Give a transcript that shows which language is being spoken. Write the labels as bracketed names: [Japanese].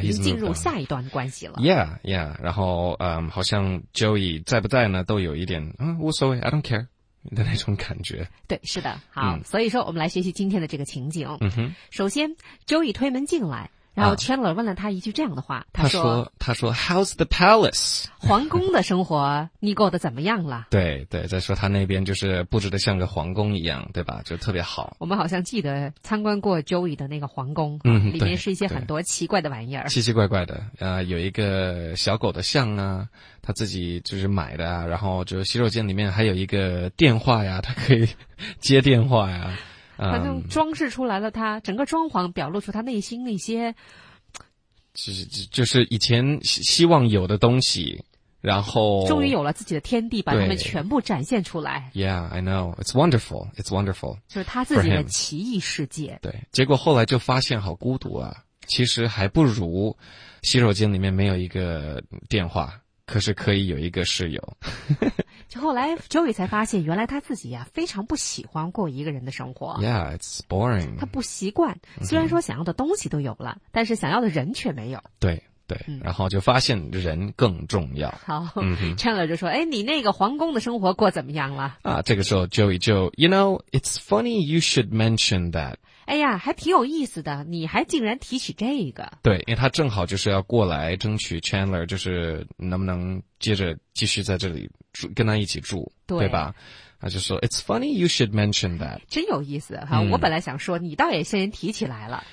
[Chinese] 已经进入下一段关系了。 Yeah， yeah， 然后好像 Joey 在不在呢，都有一点无所谓 ， [English] I don't care。 [Chinese] 的那种感觉，对，是的，好，所以说我们来学习今天的这个情景。嗯哼，首先 ，Joey 推门进来，然后 Chandler 问了他一句这样的话， [English] 他说 ，How's the palace？ [Chinese] 皇宫的生活你过得怎么样了？对对，在说他那边就是布置的像个皇宫一样，对吧？就特别好。我们好像记得参观过 Joey 的那个皇宫，里面是一些很多奇怪的玩意儿，奇奇怪怪的。有一个小狗的像啊。他自己就是买的啊，然后就洗手间里面还有一个电话呀，他可以接电话呀。他就装饰出来了他，他整个装潢表露出他内心那些，就是以前希望有的东西，然后终于有了自己的天地，把他们全部展现出来。 [English] Yeah, I know, it's wonderful, it's wonderful。 [Chinese] 就是他自己的奇异世界。对，结果后来就发现好孤独啊，其实还不如洗手间里面没有一个电话。可是可以有一个室友。就后来 Joey 才发现，原来他自己呀、非常不喜欢过一个人的生活。 [English] Yeah, it's boring. [Chinese] 他不习惯，虽然说想要的东西都有了，但是想要的人却没有。对对、然后就发现人更重要。好 ，Chandler 就说：“哎，你那个皇宫的生活过怎么样了？” 啊，这个时候 Joey 就 [English] ，You know, it's funny you should mention that. [Chinese] 哎呀，还挺有意思的，你还竟然提起这个。对，因为他正好就是要过来争取 Chandler， 就是能不能接着继续在这里住，跟他一起住， 对吧？他就说 [English] ，It's funny you should mention that， [Chinese] 真有意思哈、我本来想说，你倒也先提起来了。